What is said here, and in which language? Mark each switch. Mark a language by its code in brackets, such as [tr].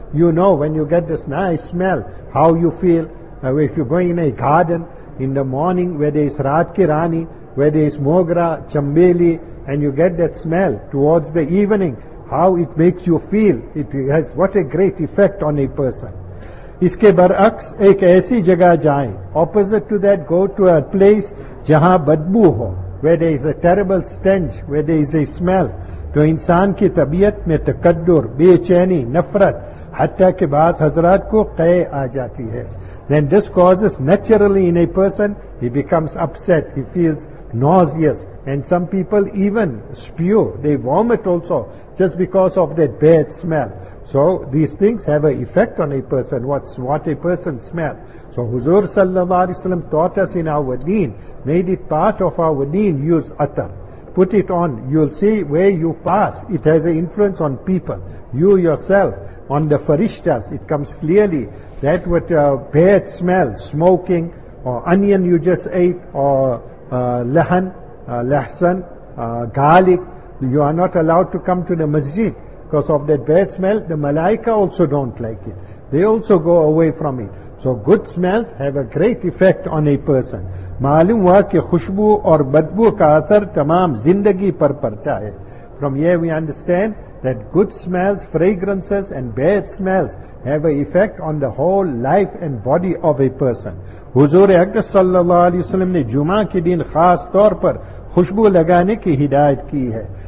[en] You know when you get this nice smell, how you feel. If you go in a garden in the morning where there is Raat Ki Rani, where there is Mogra, Chambeli, and you get that smell towards the evening, how it makes you feel. It has what a great effect on a person. [ur] اس کے برعکس ایک ایسی جگہ جائیں, [en] opposite to that go to a place [ur] جہاں بدبو ہو, [en] where there is a terrible stench, where there is a smell, [ur] تو انسان کی طبیعت میں تکدر, بے چینی, نفرت, حتیٰ کہ بعض حضرات کو قے آ جاتی ہے. [en] Then this causes naturally in a person, he becomes upset, he feels nauseous, and some people even spew, they vomit also, just because of that bad smell. So these things have an effect on a person, what a person smells. So Huzur sallallahu alayhi wa sallam taught us in our deen, made it part of our deen, use atar. Put it on, you'll see where you pass, it has an influence on people, you yourself, on the farishtas, it comes clearly. That with a bad smell, smoking, or onion you just ate, or lahsan, garlic, you are not allowed to come to the masjid. Because of that bad smell, the malaika also don't like it. They also go away from it. So good smells have a great effect on a person. [ur] معلوم ہوا کہ خوشبو اور بدبو کا اثر تمام زندگی پر پڑتا ہے. [en] From here we understand that good smells, fragrances and bad smells have an effect on the whole life and body of a person. [ur] حضور اکرم صلی اللہ علیہ وسلم نے جمعہ کے دن خاص طور پر خوشبو لگانے کی ہدایت کی ہے.